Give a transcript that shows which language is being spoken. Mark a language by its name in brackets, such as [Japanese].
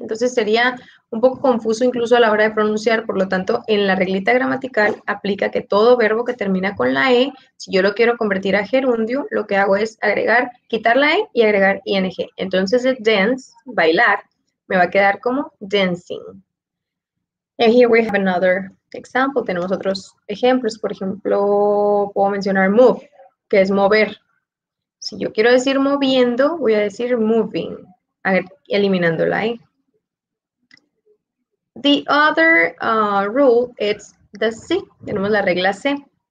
[Spanish] Entonces sería un poco confuso incluso a la hora de pronunciar. Por lo tanto, en la reglita gramatical aplica que todo verbo que termina con la E, si yo lo quiero convertir a gerundio, lo que hago es agregar, quitar la E y agregar ing. Entonces, el dance, bailar, me va a quedar como dancing. [English] And here we have another example. [Spanish] Tenemos otros ejemplos. Por ejemplo, puedo mencionar move, que es mover. Si yo quiero decir moviendo, voy a decir moving, eliminando la E. [English] The other rule is the C. [Spanish] Tenemos la regla C.